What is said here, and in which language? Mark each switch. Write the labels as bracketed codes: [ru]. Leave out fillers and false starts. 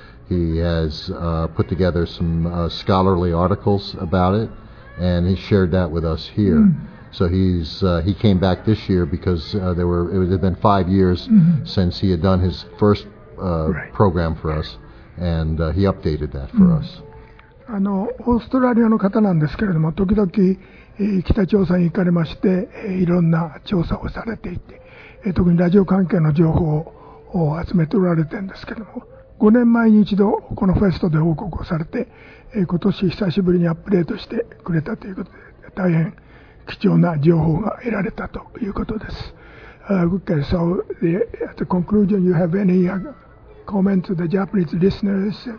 [en] He has put together some scholarly articles about it, and he shared that with us here. Mm-hmm. So he came back this year because it had been 5 years mm-hmm. since he had done his first program for us, and he updated that for us. [ja] オーストラリアの方なんですけれども、時々、北朝鮮に行かれまして、いろんな調査をされていて、特にラジオ関係の情報を集めておられてるんですけれども、5年前に一度このフェストで報告をされて、今年久しぶりにアップデートしてくれたということで、大変貴重な情報が得られたということです。 [en] Okay, so at the conclusion, you have any comment to the Japanese listeners?